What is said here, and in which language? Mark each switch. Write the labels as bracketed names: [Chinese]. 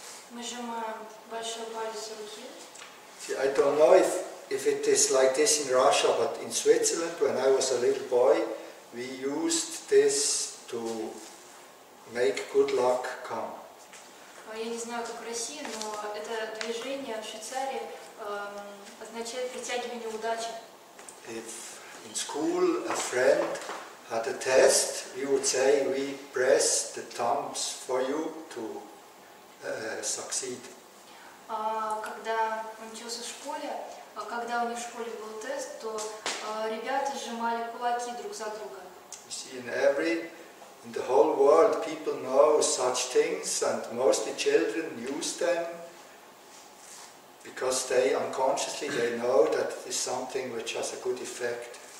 [Russian] Мы сжимаем большой палец руки. [English] See, I don't know if it is like this in Russia, but in Switzerland, when I was a little boy, we used this to make good luck come. [Russian] Я не знаю, как в России, но это движение в Швейцарии означает притягивание удачи. [English] If in school a friend at a test, we would say we press the thumbs for you to succeed. [Russian] Когда он учился в школе, когда у них в школе был тест, то ребята сжимали кулаки друг за друга. [English] You see, in every In the whole world people know such things and mostly children use them because they unconsciously they know that it is something which has a good effect.